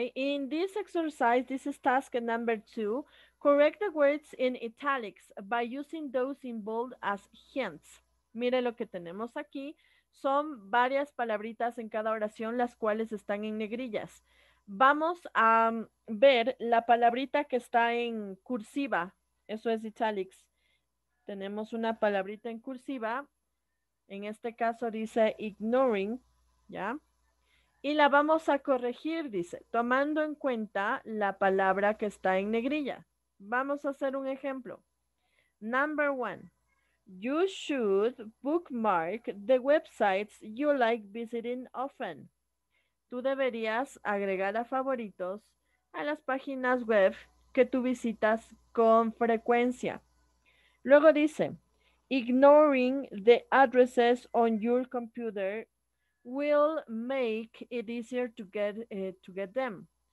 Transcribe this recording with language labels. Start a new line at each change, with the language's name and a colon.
English: In this exercise, this is task number two. Correct the words in italics by using those involved as hints.
Spanish: Mire lo que tenemos aquí. Son varias palabritas en cada oración, las cuales están en negrillas. Vamos a ver la palabrita que está en cursiva. Eso es italics. Tenemos una palabrita en cursiva. En este caso dice ignoring, ¿ya? Y la vamos a corregir, dice, tomando en cuenta la palabra que está en negrilla. Vamos a hacer un ejemplo.
English: Number one. You should bookmark the websites you like visiting often.
Spanish: Tú deberías agregar a favoritos a las páginas web que tú visitas con frecuencia. Luego dice,
English: ignoring the addresses on your computer will make it easier to get them.